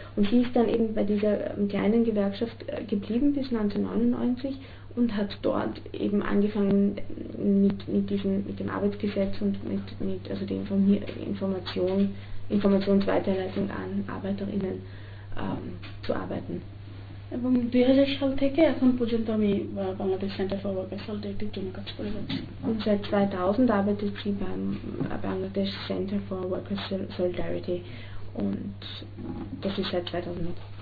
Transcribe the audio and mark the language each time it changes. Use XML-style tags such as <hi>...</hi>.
<de>Und sie ist dann eben bei dieser kleinen Gewerkschaft geblieben bis 1999 und hat dort eben angefangen mit dem Arbeitsgesetz und also die Informationsweiterleitung an ArbeiterInnen zu arbeiten.</de> <bn>এবং 2000 সাল থেকে এখন পর্যন্ত আমি Bangladesh centre for worker সলিডারিটির জন্য কাজ করে যাচ্ছি।</bn> <de>2000 arbeitet sie beim Bangladesh Center for Workers Solidarity und das ist seit 2000.</de>